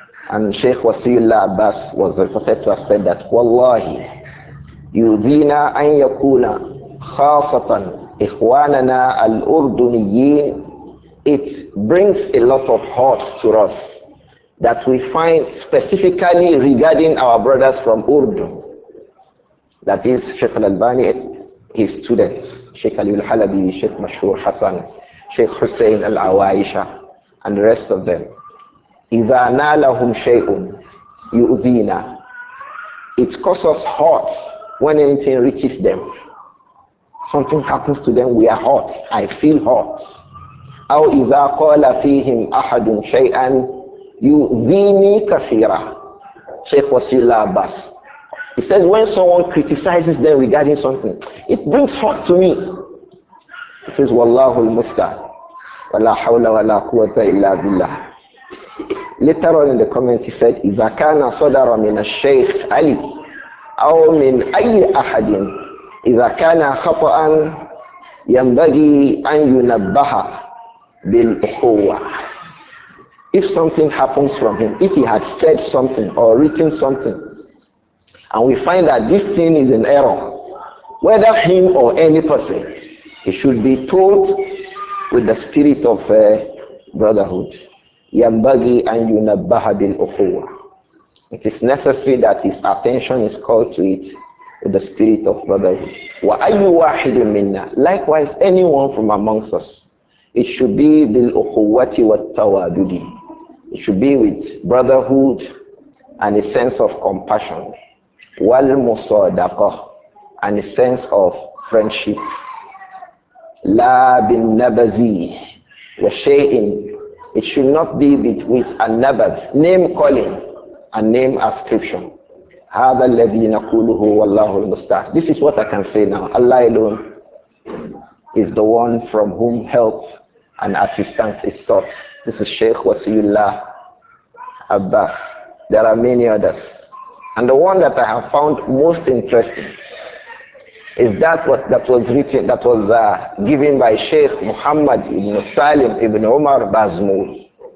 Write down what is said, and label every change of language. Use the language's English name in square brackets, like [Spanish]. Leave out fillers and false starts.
[English] And Sheikh Wasiullah Abbas was reported to have said that, Wallahi, [Arabic] yudhina an yakuna khasatan ikhwanana al-urduniyin, [English] it brings a lot of hurt to us that we find specifically regarding our brothers from Urdun, that is Sheikh al-Albani, his students, Sheikh Ali al-Halabi, Sheikh Mashur Hassan, Sheikh Hussein al-Awaisha, and the rest of them. [Arabic] إِذَا نَالَهُمْ شَيْءٌ يُؤْذِينَا. [English] It causes hurt when anything reaches them. Something happens to them, we are hurt. I feel hurt. [Arabic] أَوْ إِذَا قَالَ فِيهِمْ أَحَدٌ شَيْئًا يُؤْذِينِي كَثِيرًا. [English] Sheikh Wasiullah Abbas, he says, when someone criticizes them regarding something, it brings hurt to me. He says, Wallahu al-Musta'an. [Arabic] وَلَا حَوْلَ وَلَا قُوَّةَ إِلَّا بِاللَّهِ. [English] Later on in the comments, he said, [Arabic] إِذَا كَانَ صَدَرَ مِنَ الشَّيْخِ عَلِي أَوْ مِنْ أَيِّ أَحَدٍ إِذَا كَانَ خَطَأً يَنْبَغِي أَنْ يُنَبَّهَ بِالْأُخُوَّةِ. [English] If something happens from him, if he had said something or written something, and we find that this thing is an error, whether him or any person, he should be told with the spirit of brotherhood. [Arabic] Yambagi an yunabbaha bil ukhuwa. [English] It is necessary that his attention is called to it with the spirit of brotherhood. [Arabic] Wa ayyu wahidin minna. [English] Likewise, anyone from amongst us, it should be [Arabic] bil ukhuwati wa tawadudi. [English] It should be with brotherhood and a sense of compassion. [Arabic] Wal musadaqah, [English] and a sense of friendship. [Arabic] La bin nabazi wa shay'in. [English] It should not be with a nabath, name calling, and name ascription. [Arabic] هذا الذي نقوله والله المستعان. [English] This is what I can say now. Allah alone is the one from whom help and assistance is sought. This is Sheikh Wasiullah Abbas. There are many others. And the one that I have found most interesting is that what that was given by Sheikh Muhammad ibn Salim ibn Umar Bazmul.